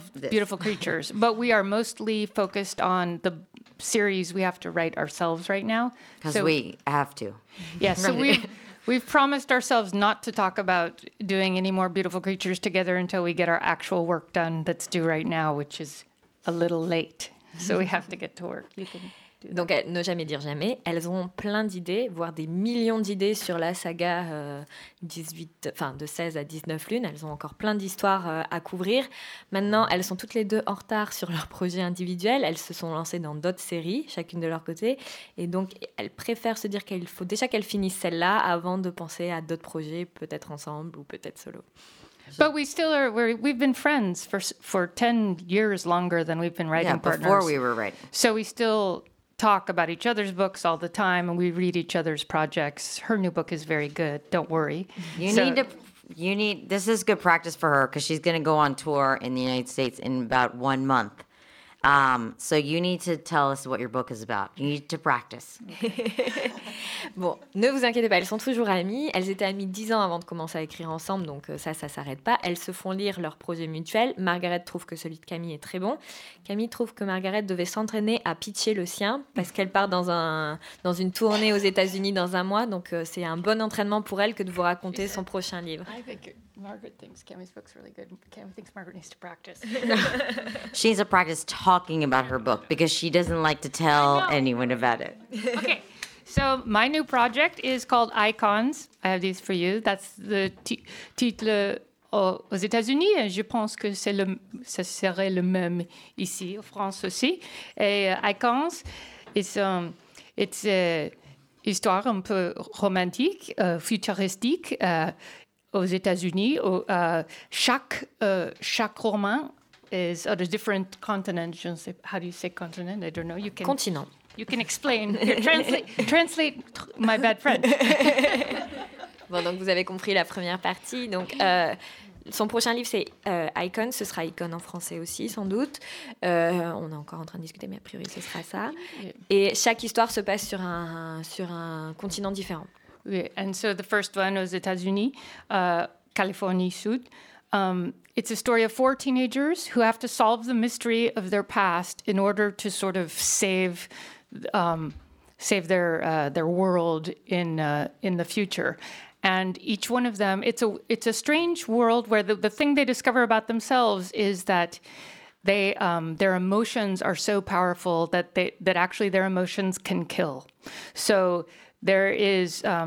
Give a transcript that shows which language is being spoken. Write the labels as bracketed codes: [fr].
[en] Beautiful Creatures. But we are mostly focused on the series we have to write ourselves right now. Because we have to. Yes. Yeah, so we've promised ourselves not to talk about doing any more Beautiful Creatures together until we get our actual work done that's due right now, which is a little late. So we have to get to work. [fr] Donc, ne jamais dire jamais. Elles ont plein d'idées, voire des millions d'idées sur la saga de 16 à 19 lunes. Elles ont encore plein d'histoires à couvrir. Maintenant, elles sont toutes les deux en retard sur leurs projets individuels. Elles se sont lancées dans d'autres séries, chacune de leur côté. Et donc, elles préfèrent se dire qu'il faut déjà qu'elles finissent celle-là avant de penser à d'autres projets, peut-être ensemble ou peut-être solo. [en] But we still are. We've been friends for 10 years longer than we've been writing partners. Before we were writing. So we still... talk about each other's books all the time, and we read each other's projects. Her new book is very good. Don't worry. This is good practice for her because she's going to go on tour in the United States in about 1 month. So you need to tell us what your book is about. You need to practice. [fr] Bon, ne vous inquiétez pas, elles sont toujours amies. Elles étaient amies 10 ans avant de commencer à écrire ensemble, donc ça s'arrête pas. Elles se font lire leurs projets mutuels. Margaret trouve que celui de Camille est très bon. Camille trouve que Margaret devait s'entraîner à pitcher le sien parce qu'elle part dans une tournée aux États-Unis dans un mois, donc c'est un bon entraînement pour elle que de vous raconter son prochain livre. [en] Margaret thinks Cammy's book's really good. Cammy thinks Margaret needs to practice. She needs to practice talking about her book because she doesn't like to tell anyone about it. Okay, so my new project is called Icons. I have these for you. That's the [fr] titre aux États-Unis. Je pense que ça serait le même ici, en France aussi. Et Icons, [en] it's a [fr] histoire un peu romantique, futuristique. Aux États-Unis, chaque roman [en] is on a different continent. [fr] Je ne sais pas, [en] how do you say continent? I don't know. You can continent. You can explain. translate my bad friend. [fr] Bon, donc vous avez compris la première partie. Donc son prochain livre, c'est Icon. Ce sera Icon en français aussi, sans doute. On est encore en train de discuter, mais a priori, ce sera ça. Et chaque histoire se passe sur un continent différent. [en] Yeah. And so the first one was États-Unis, California Sud. It's a story of 4 teenagers who have to solve the mystery of their past in order to sort of save their world in the future. And each one of them, it's a strange world where the thing they discover about themselves is that they their emotions are so powerful that actually their emotions can kill. So there is